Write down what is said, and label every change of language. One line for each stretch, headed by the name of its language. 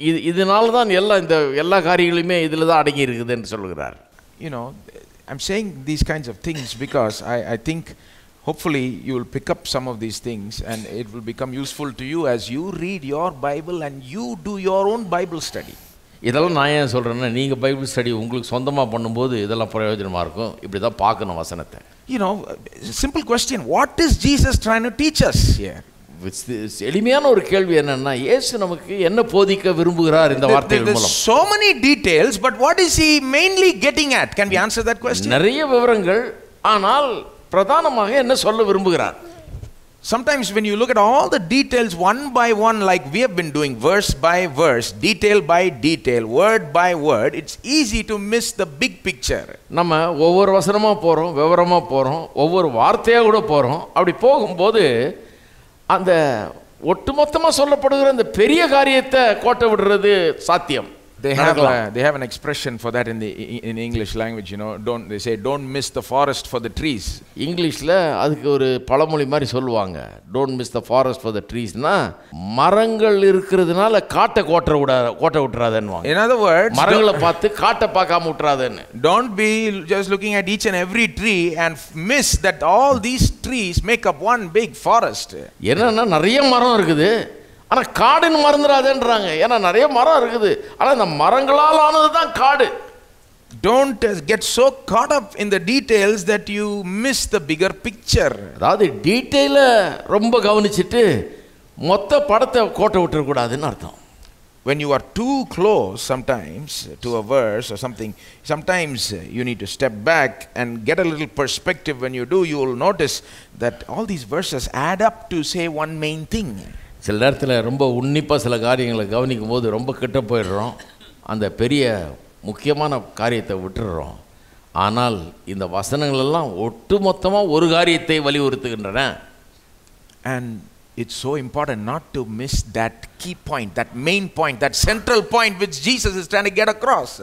Tamil: இதனால்தான் எல்லா இந்த எல்லா காரியங்களுமே இதுல தான் அடங்கி இருக்குது என்று சொல்கிறார்.
English: You know, I'm saying these kinds of things because I think hopefully you will pick up some of these things and it will become useful to you as you read your Bible and you do your own Bible study.
Tamil: இதெல்லாம் நான் ஏன் சொல்கிறேன்னா, நீங்கள் Bible study உங்களுக்கு சொந்தமாக பண்ணும்போது இதெல்லாம் பிரயோஜனமாக இருக்கும். இப்படி தான் பார்க்கணும் வசனத்தை.
English: You know, simple question, what is Jesus trying to teach us here?
Tamil: எளிமையான ஒரு கேள்வி என்னன்னா, இயேசு நமக்கு என்ன போதிக்க விரும்புகிறார் இந்த வார்த்தைகள் மூலம்.
English: There are so many details, but what is he mainly getting at? Can we answer that question?
Tamil: நிறைய விவரங்கள், ஆனால் பிரதானமாக என்ன சொல்ல விரும்புகிறார்?
English: Sometimes when you look at all the details one by one, like we have been doing, verse by verse, detail by detail, word by word, it's easy to miss the big picture.
Tamil: நம்ம ஒவ்வொரு வசனமா போறோம், விவரமா போறோம், ஒவ்வொரு வார்த்தையா கூட போறோம். அப்படி போகும்போது அந்த ஒட்டுமொத்தமா சொல்லப்படுகிற அந்த பெரிய காரியத்தை கோட்டை விடுறது சாத்தியம்.
English: They have an expression for that in English language, you know, they say don't miss the forest for the trees.
Tamil: இங்கிலீஷ்ல அதுக்கு ஒரு பழமொழி மாதிரி சொல்வாங்க,
English: don't miss the forest for the trees-
Tamil: னா மரங்கள் இருக்கிறதுனால காட்டை கோட்டை விட்டுறாதேன்னு.
English: In other words,
Tamil: மரங்களை பார்த்து காட்டை பார்க்காம விட்டுறாதேன்னு.
English: Don't be just looking at each and every tree and miss that all these trees make up one big forest.
Tamil: என்னன்னா நிறைய மரம் இருக்குது, ஆனால் காடுன்னு மறந்துடாதேன்றாங்க. ஏன்னா நிறைய மரம் இருக்குது, ஆனால் இந்த மரங்களால் ஆனது தான் காடு.
English: Don't get so caught up in the details that you miss the bigger picture.
Tamil: அதாவது டீட்டெயில ரொம்ப கவனிச்சுட்டு மொத்த படத்தை கோட்டை விட்டுறக்கூடாதுன்னு அர்த்தம்.
English: When you are too close sometimes to a verse or something, sometimes you need to step back and get a little perspective. When you do, you will notice that all these verses add up to say one main thing.
Tamil: சில நேரத்தில் ரொம்ப உன்னிப்பாக சில காரியங்களை கவனிக்கும் போது ரொம்ப கிட்ட போயிடுறோம், அந்த பெரிய முக்கியமான காரியத்தை விட்டுடுறோம். ஆனால் இந்த வசனங்களெல்லாம் ஒட்டு மொத்தமாக ஒரு காரியத்தை வலியுறுத்துகின்றன.
English: And it's so important not to miss that key point, that main point, that central point which Jesus is trying to get across.